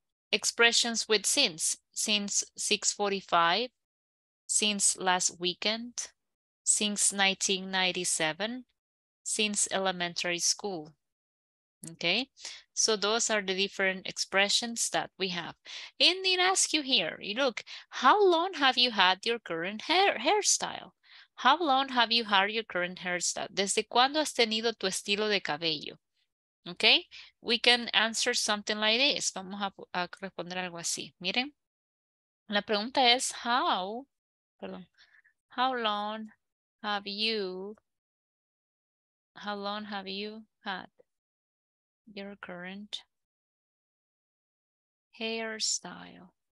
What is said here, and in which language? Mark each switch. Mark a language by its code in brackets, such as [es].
[en] Expressions with since 6:45, since last weekend, since 1997, since elementary school. Okay, so those are the different expressions that we have. And it asks you here, you look, how long have you had your current hairstyle? How long have you had your current hairstyle? [es] ¿Desde cuándo has tenido tu estilo de cabello? [en] Okay, we can answer something like this. [es] Vamos a responder algo así. Miren, la pregunta es [en] how long have you had your current hairstyle?